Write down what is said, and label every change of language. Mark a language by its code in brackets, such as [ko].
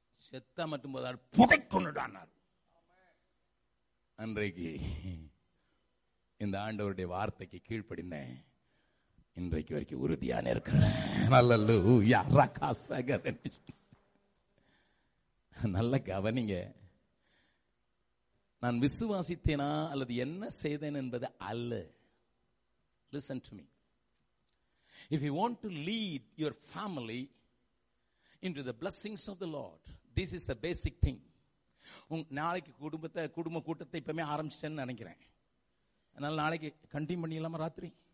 [ta] செத்தா மட்டும் போதாள் புதைக்கணும்டானார். அன்றைக்கு இந்த ஆண்டவருடைய வார்த்தைக்கு கீழ்ப்படிந்தேன். இன்றைக்கு வரைக்கும் உறுதியான இருக்கிறேன். நல்ல கவனிங்க, நான் விசுவாசித்தேனா அல்லது என்ன செய்தேன் என்பது அல்ல. [en] Listen to me. If you want to lead your family into the blessings of the Lord, this is the basic thing. [ta] நாளைக்கு குடும்பத்தை குடும்ப கூட்டத்தை இப்பவே ஆரம்பிச்சிட்டேன்னு நினைக்கிறேன். அதனால நாளைக்கு கண்டினியூ பண்ணிடலாமா ராத்திரி?